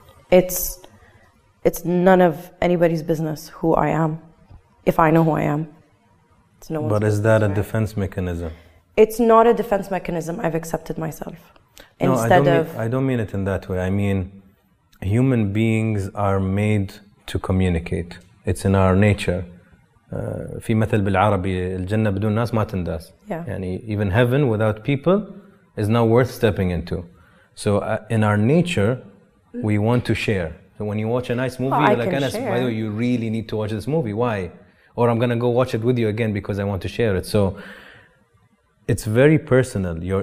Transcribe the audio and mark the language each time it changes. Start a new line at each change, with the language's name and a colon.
English: It's none of anybody's business who I am, if I know who I am. It's no one's. But is that a defense mechanism? It's not a defense mechanism. I've accepted myself. I don't mean it in that way. I mean, human beings are made to communicate. It's in our nature.
Arabic: في مثل بالعربي الجنة بدون ناس ما تنداس.
English: يعني even heaven without people is not worth stepping into. So in our nature, we want to share. So when you watch a nice movie, well, you're like, Anas, by the way, you really need to watch this movie. Why? Or I'm going to go watch it with you again because I want to share it. So it's very personal.